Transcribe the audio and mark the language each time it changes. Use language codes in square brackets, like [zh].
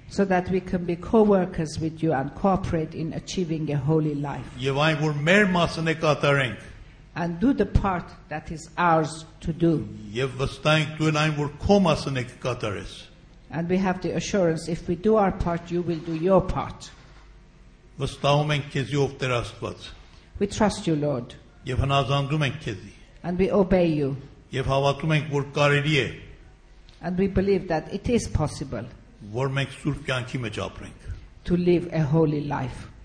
[en] So that we can be co-workers with you and cooperate in achieving a holy life. [hy] Եվ այն, որ մեր մասն է կատարենք։ [en] And do the part that is ours to do. [hy] Եվ վստահենք դու այն, որ քո մասն է կկատարես։ [en] And we have the assurance if we do our part, you will do your part. [hy] Վստահում ենք քեզի, ով Տեր Աստված։ [en] We trust you, Lord. [hy] Եվ հնազանդում ենք քեզի։ [en] And we obey you. [hy] Եվ հավատում ենք, որ կարելի է։ [en] And we believe that it is possible. [hy] Որ մենք սուրբ կյանքի մեջ ապրենք։ [en] To live a holy life.